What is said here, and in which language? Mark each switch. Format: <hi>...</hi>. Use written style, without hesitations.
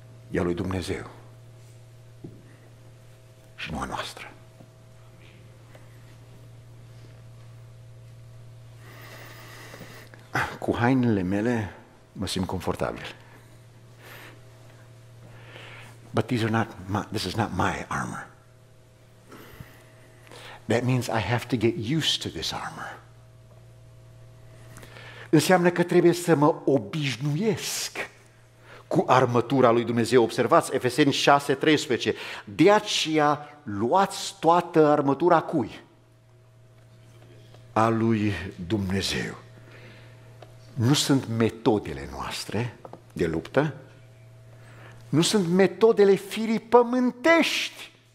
<ro>e a lui Dumnezeu și nu a noastră. Cu hainele mele mă simt confortabil.</ro> <en>But these are not my, this is not my armor. That means I have to get used to this armor.</en> <ro>Înseamnă că trebuie să mă obișnuiesc cu armătura lui Dumnezeu. Observați, Efeseni 6:13. De aceea luați toată armătura cui? A lui Dumnezeu. Nu sunt metodele noastre de luptă, nu sunt metodele firii pământești.</ro>